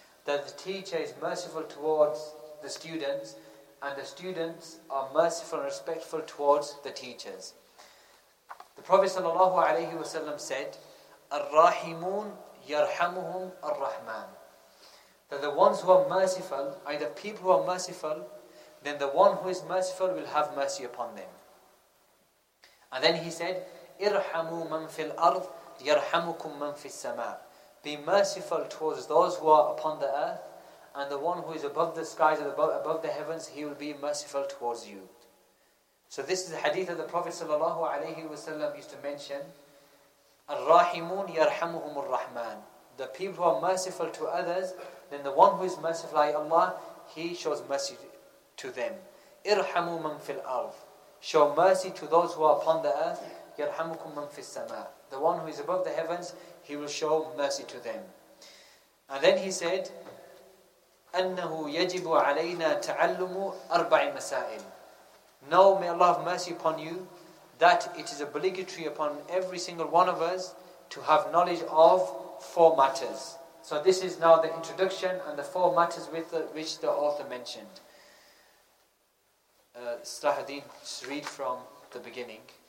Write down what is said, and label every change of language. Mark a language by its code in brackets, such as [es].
[en] That the teacher is merciful towards the students, and the students are merciful and respectful towards the teachers. The Prophet sallallahu alayhi wa sallam said, [ar] الرحمون يرحمهم الرحمن. [en] That the ones who are merciful, either people who are merciful, then the one who is merciful will have mercy upon them. And then he said, [ar] إرحموا من في الأرض يرحمكم من في السماء. [en] Be merciful towards those who are upon the earth, and the one who is above the skies and above the heavens, he will be merciful towards you. So this is the hadith that the Prophet sallallahu alaihi wasallam used to mention. [ar] الرحمون يرحمهم الرحمن. [en] The people who are merciful to others, then the one who is merciful, like Allah, he shows mercy to them. [ar] إرحموا من في الأرض. [en] Show mercy to those who are upon the earth. [ar] يرحمكم من في السماء. [en] The one who is above the heavens, he will show mercy to them. And then he said, [ar] أنه يجب علينا تعلم أربع مسائل. [en] Now may Allah have mercy upon you, that it is obligatory upon every single one of us to have knowledge of four matters. So this is now the introduction and the four matters which the author mentioned. Slahuddin, just read from the beginning.